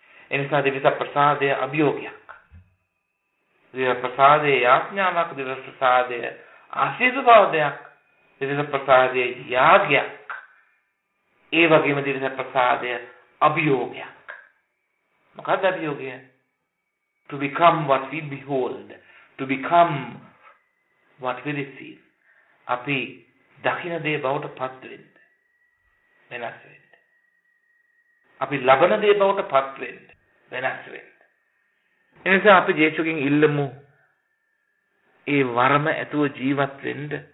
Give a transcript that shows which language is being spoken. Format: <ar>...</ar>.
<si>එනිසා දිවස ප්‍රසාදය අභියෝගයක්. දිවස ප්‍රසාදයේ යාඥාවක්, දිවස ප්‍රසාදය ආශිර්වාදයක්, දිවස ප්‍රසාදයේ යාගයක්, ඒ වගේම දිවස ප්‍රසාදය අභියෝගයක්. මොකද අභියෝගය?</si> <en>To become what we behold, to become what we receive.</en> <si>අපි දකින දේ බවට පත් වෙන්න, වෙනස් වෙන්න. අපි ලබන දේ බවට පත් වෙන්න, වෙනස් වෙන්න. එනිසා අපි ජේසුගෙන් ඉල්ලමු ඒ වර්ම ඇතුව ජීවත් වෙන්න.</si>